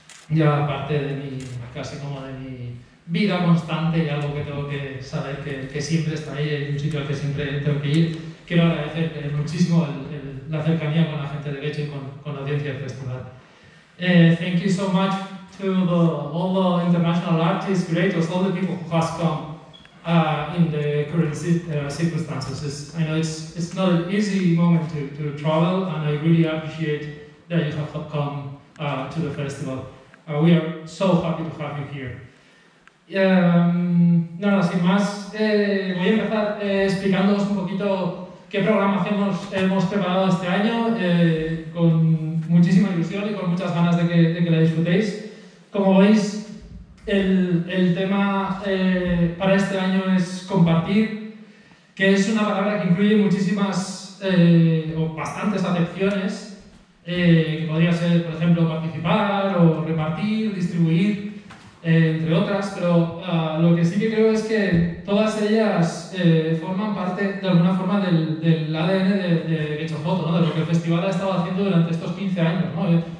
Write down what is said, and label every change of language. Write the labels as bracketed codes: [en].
[es] Ya parte de mi, casi como de mi, vida constante y algo que tengo que saber que siempre está ahí, en un sitio al que siempre tengo que ir. Quiero agradecer muchísimo la cercanía con la gente de Lecce y con la audiencia del festival. [en] Thank you so much to all the international artists, creators, all the people who has come in the current circumstances. I know it's not an easy moment to travel, and I really appreciate that you have come to the festival. We are so happy to have you here. [es] Nada, sin más, voy a empezar explicándoos un poquito qué programación hemos preparado este año, con muchísima ilusión y con muchas ganas de que la disfrutéis. Como veis, el tema para este año es compartir, que es una palabra que incluye muchísimas o bastantes acepciones, que podría ser, por ejemplo, participar o repartir, distribuir, entre otras, pero lo que sí que creo es que todas ellas forman parte de alguna forma del ADN de Lecce Foto, ¿no? De lo que el festival ha estado haciendo durante estos 15 años, ¿no?